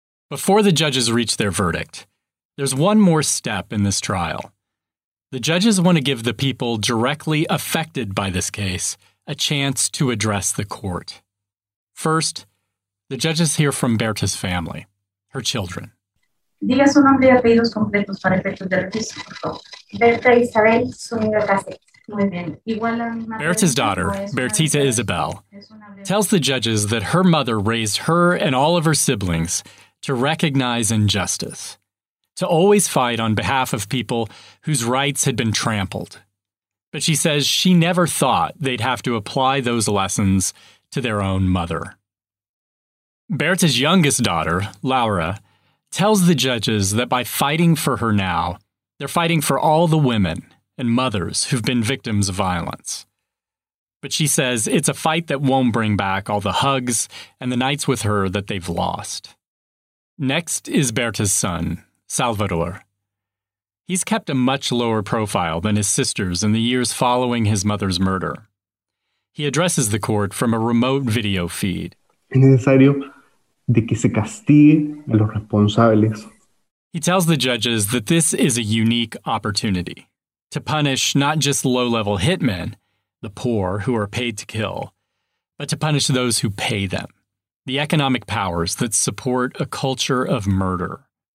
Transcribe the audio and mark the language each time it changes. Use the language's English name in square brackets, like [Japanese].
[English] Before the judges reach their verdict, there's one more step in this trial. The judges want to give the people directly affected by this case a chance to address the court. First, the judges hear from Berta's family, her children. [Spanish] Diga su nombre y apellidos completos para efectos del registro. Berta Isabel Zúñiga Cáceres. [English] Berta's daughter, Bertita Isabel, tells the judges that her mother raised her and all of her siblings to recognize injustice, to always fight on behalf of people whose rights had been trampled. But she says she never thought they'd have to apply those lessons to their own mother. Berta's youngest daughter, Laura, tells the judges that by fighting for her now, they're fighting for all the women and mothers who've been victims of violence. But she says it's a fight that won't bring back all the hugs and the nights with her that they've lost. Next is Berta's son, Salvador. He's kept a much lower profile than his sisters in the years following his mother's murder. He addresses the court from a remote video feed. [Spanish] Es necesario de que se castigue a los responsables. [English] He tells the judges that this is a unique opportunity to punish not just low-level hitmen, the poor who are paid to kill, but to punish those who pay them, the economic powers that support a culture of murder.